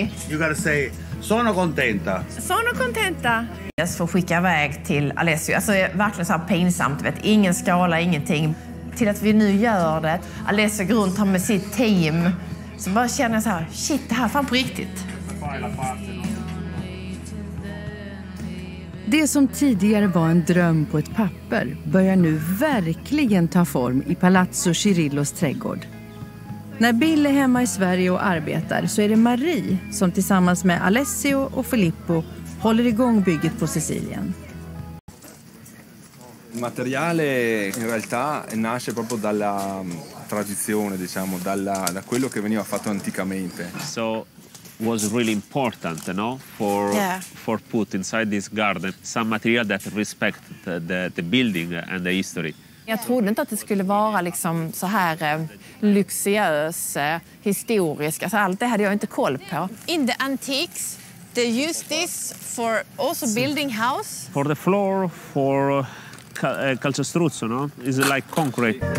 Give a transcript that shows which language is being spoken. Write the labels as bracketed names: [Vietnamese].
[English] You gotta say, [Italian] sono contenta. Sono contenta. [Swedish] Jag får skicka iväg till Alessio. Alltså verkligen så här pinsamt, vet. Ingen skala, ingenting. Till att vi nu gör det. Alessio går runt med sitt team. Så bara känner jag så här, shit, det här fan på riktigt. Det som tidigare var en dröm på ett papper börjar nu verkligen ta form i Palazzo Cirillos trädgård. När Bill är hemma i Sverige och arbetar så är det Marie som tillsammans med Alessio och Filippo håller igång bygget på Sicilien. [Italian] Materiale in realtà nasce proprio dalla tradizione, diciamo, da quello che veniva fatto anticamente. [English] So was really important, no? For put inside this garden some material that respect the building and the history. [Swedish] Jag trodde inte att det skulle vara liksom så här lyxiös, historisk. Alltså allt det hade jag inte koll på. [English] In the antiques, they use this for also building house. For the floor, for calcestruzzo, no? It's like concrete.